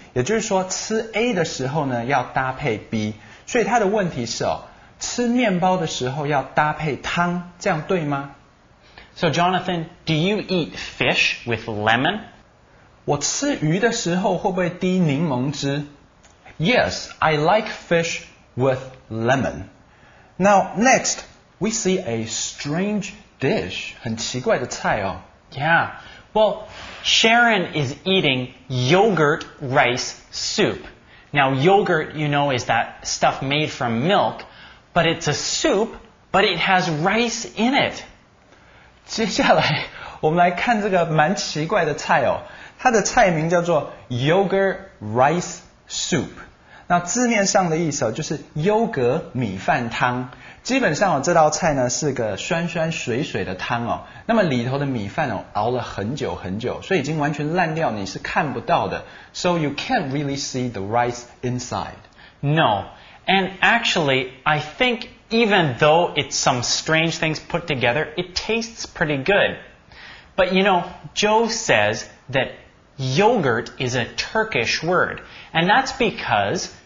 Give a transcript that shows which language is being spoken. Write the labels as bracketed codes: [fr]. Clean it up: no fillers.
[zh] 也就是说吃 A 的时候呢要搭配 B. 所以他的问题是哦，吃面包的时候要搭配汤，这样对吗 [en] ？So Jonathan, do you eat fish with lemon? [zh] 我吃鱼的时候会不会滴柠檬汁 [en] ？Yes, I like fish with lemon. Now next, we see a strange dish, [zh] 很奇怪的菜哦。 [en] Yeah, well, Sharon is eating yogurt rice soup. Now, yogurt, you know, is that stuff made from milk, but it's a soup, but it has rice in it. [zh] 接下来，我们来看这个蛮奇怪的菜哦。它的菜名叫做 yogurt rice soup. 那字面上的意思就是优格米饭汤。基本上这道菜呢是个酸酸水水的汤哦。那么里头的米饭哦熬了很久很久，所以已经完全烂掉，你是看不到的。 [en] So you can't really see the rice inside. No, and actually, I think even though it's some strange things put together, it tastes pretty good. But you know, Joe says that yogurt is a Turkish word, and that's because...